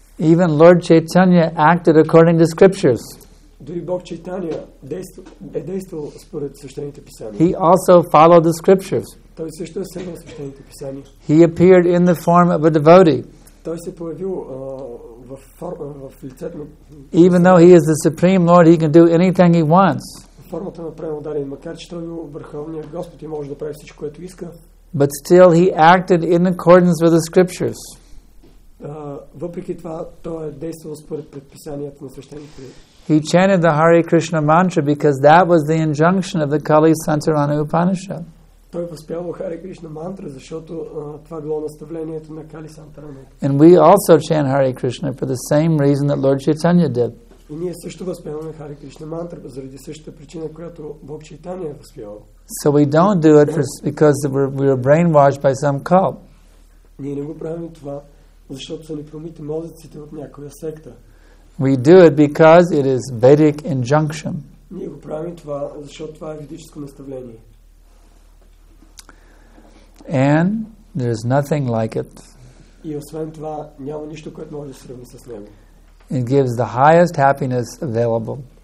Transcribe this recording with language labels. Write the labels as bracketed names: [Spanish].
[English] Even Lord Chaitanya acted according to scriptures. [Bulgarian] Дори Бог Чайтания е действал според свещените писания. [English] He also followed the scriptures. [Bulgarian] Той също е следвал свещените писания. [English] He appeared in the form of a devotee. [Bulgarian] Той се появил в лицето на... [English] Even though he is the supreme Lord, he can do anything he wants. [Bulgarian] Формата на преводарен, макар че той е върховният Господ и може да прави всичко, което иска. [English] But still he acted in accordance with the scriptures. [Bulgarian] Въпреки това, той е действал според предписанията на свещените. [English] He chanted the Hare Krishna mantra because that was the injunction of the Kali Santarana Upanishad. [Bulgarian] Той възпявал Hare Krishna mantra, защото това било наставлението на Kali Santarana. [English] And we also chant Hare Krishna for the same reason that Lord Chaitanya did. [Bulgarian] И ние също възпяваме Hare Krishna mantra заради същата причина, която Бог Чайтания възпявал. [English] So we don't do it because we're brainwashed by some cult. [Bulgarian] Ние не го правим това, защото са ни промити мозъците от някоя секта. [English] We do it because it is Vedic injunction. [Bulgarian] Ние го правим това, защото това е ведическо наставление. [English] And there is nothing like it. [Bulgarian] И освен това, няма нищо, което може да се сравни с него. [English] It gives the highest happiness available.